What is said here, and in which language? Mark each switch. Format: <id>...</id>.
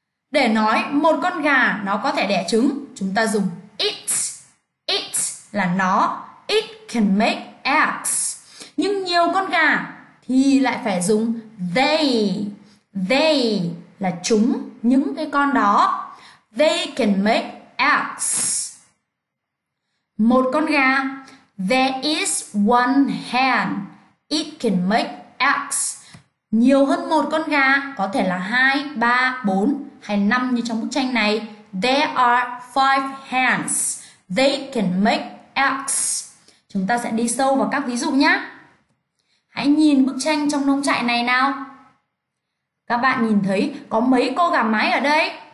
<vi>Để nói một con gà nó có thể đẻ trứng, chúng ta dùng it.</vi> <en>It</en> <vi>là nó.</vi> <en>It can make eggs.</en> <vi>Nhưng nhiều con gà thì lại phải dùng they. They là chúng, những cái con đó.</vi> <en>They can make eggs.</en> <vi>Một con gà,</vi> <en>there is one hen, it can make eggs.</en> <vi>Nhiều hơn một con gà, có thể là 2, 3, 4 hay 5 như trong bức tranh này.</vi> <en>There are 5 hens, they can make eggs.</en> <vi>Chúng ta sẽ đi sâu vào các ví dụ nhé. Hãy nhìn bức tranh trong nông trại này nào. Các bạn nhìn thấy có mấy cô gà mái ở đây?</vi>